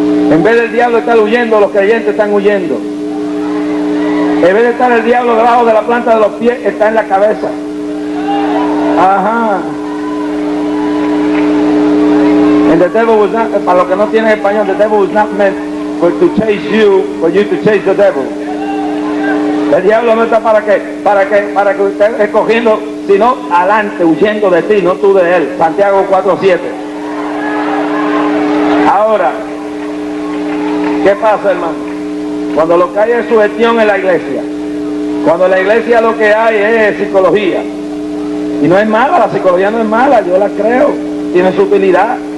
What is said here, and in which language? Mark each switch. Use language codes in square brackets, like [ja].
[es] En vez del diablo estar huyendo, los creyentes están huyendo. En vez de estar el diablo debajo de la planta de los pies, está en la cabeza. Ajá. [en] And the devil was not, [es] para los que no tienen español, [en] the devil was not meant for to chase you, for you to chase the devil. [es] El diablo no está para que usted escogiendo, sino adelante, huyendo de ti, no tú de él. Santiago 4:7. Ahora, ¿qué pasa, hermano? Cuando lo que hay es sugestión en la iglesia, cuando en la iglesia lo que hay es psicología, y no es mala, la psicología no es mala, yo la creo, tiene su utilidad.